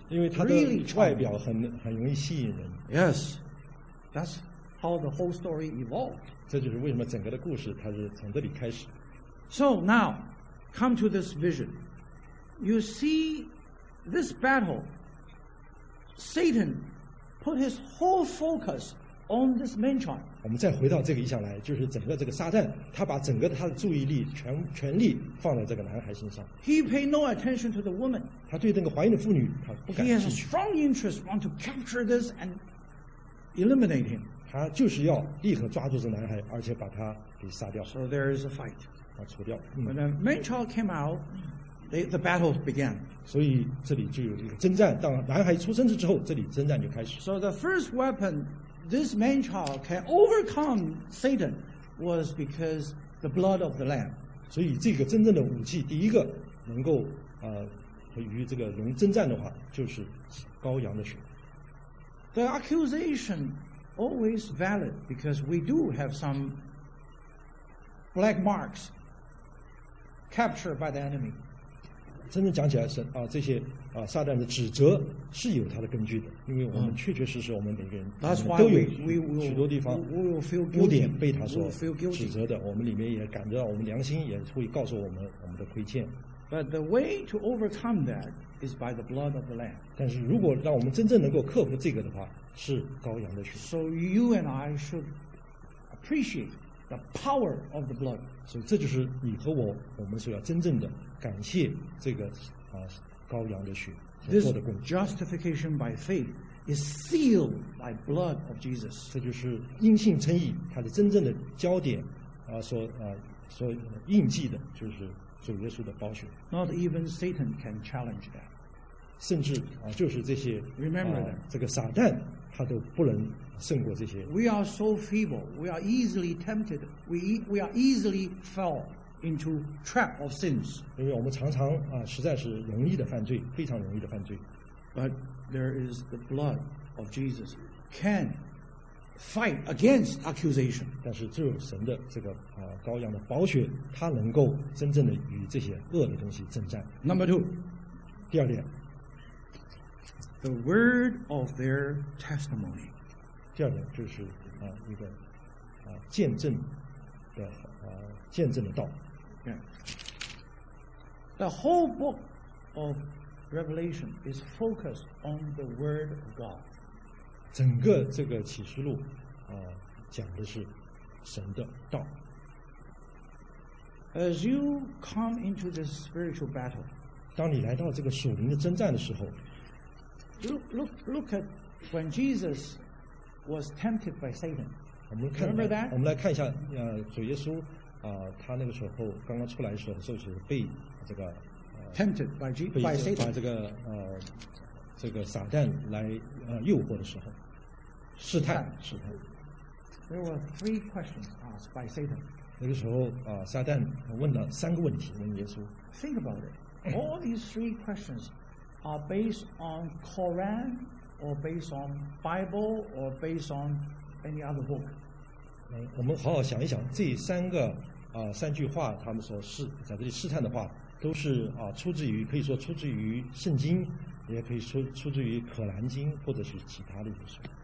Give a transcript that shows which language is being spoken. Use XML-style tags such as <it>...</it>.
<zh>因为他的外表很容易吸引人。</zh> <en>Yes, that's how the whole story evolved.</en> <zh>这就是为什么整个的故事它是从这里开始。</zh> <en>So now,Come to this vision. You see, this battle, Satan put his whole focus on this man-child.</en> <zh>我们再回到这个意象来，就是整个这个撒旦，他把整个他的注意力全力放在这个男孩身上。</zh> <en>He paid no attention to the woman.</en> <zh>他对那个怀孕的妇女，他不感兴趣。</zh> <en>He has a strong interest, want to capture this and eliminate him.</en> <zh>他就是要立刻抓住这个男孩，而且把他给杀掉。</zh> <en>So there is a fight.</en> <zh>除掉</zh> <en>When the man child came out, the battle began.</en> <zh>所以这里就有一个征战。当男孩出生之后，这里征战就开始。</zh> <en>So the first weapon this man child can overcome Satan was because the blood of the lamb.</en> <zh>所以这个真正的武器，第一个能够与这个龙征战的话，就是羔羊的血。</zh> <en>The accusation always valid because we do have some black marks. Captured by the enemy.</en> <zh>真正讲起来是这些撒旦的指责是有它的根据的，因为我们确确实实我们每个人都有许多地方污点被他所指责的，我们里面也感觉到我们良心也会告诉我们的亏欠。</zh> <en>But the way to overcome that is by the blood of the lamb.</en> <zh>但是如果让我们真正能够克服这个的话，是羔羊的血。</zh> <en>So you and I should appreciate the power of the blood.</en> <zh>所以这就是你和我们所要真正的感谢这个羔羊的血做的工作。</zh> <en>Justification by faith is sealed by blood of Jesus。</en> <zh>这就是因信称义，它的真正的焦点所印记的就是主耶稣的宝血。</zh> <en>Not even Satan can challenge that。</en> <zh>甚至就是这些</zh> <en>Remember that.</en> <zh>这个撒旦他都不能。胜过这些。</zh> <en>We are so feeble. We are easily tempted. We are easily fall into trap of sins.</en> <zh>因为我们常常实在是容易的犯罪，非常容易的犯罪。</zh> <en>But there is the blood of Jesus can fight against accusation.</en> <zh>但是只有神的这个羔羊的宝血，他能够真正的与这些恶的东西征战。</zh> <en>Number two,</en> <zh>第二点</zh> <en>，the word of their testimony.</en> <zh>第二点就是一个见证的见证的道。</zh> <en>The whole book of Revelation is focused on the Word of God.</en> <zh>整个这个启示录讲的是神的道。</zh> <en>As you come into this spiritual battle,</en> <zh>当你来到这个属灵的征战的时候</zh> <en>，look at when Jesus. Was tempted by Satan. Remember that?</en> <zh>我们来看一下，主耶稣他那个时候刚刚出来的时候，就是被这个</zh> <en>tempted by Jesus, by Satan,</en> <zh>被这个这个撒旦来诱惑的时候，试探试探。</zh> <en>There were three questions asked by Satan.</en> <zh>那个时候撒旦问了三个问题问耶稣。</zh> <en>Think about it. All these three questions are based on Quran or based on Bible or based on any other book.</en> <zh>我们好好想一想，这三个三句话，他们说是在这里试探的话，都是出自于，可以说出自于圣经，也可以说出自于可兰经，或者是其他的一些。</zh>